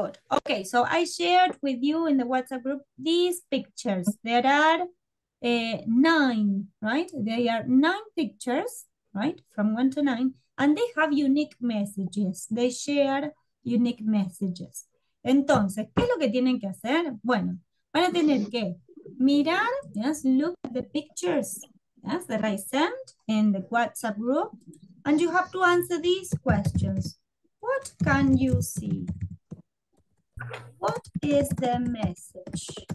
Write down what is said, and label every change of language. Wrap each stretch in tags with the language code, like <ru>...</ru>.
<en>Okay, so I shared with you in the WhatsApp group these pictures. There are nine, right? They are nine pictures, right? From one to nine, and they have unique messages. They share unique messages.</en> <es>Entonces, ¿qué es lo que tienen que hacer? Bueno, van a tener que mirar,</es> <en>yes, look at the pictures, yes, that I sent in the WhatsApp group, and you have to answer these questions. What can you see? What is the message?</en>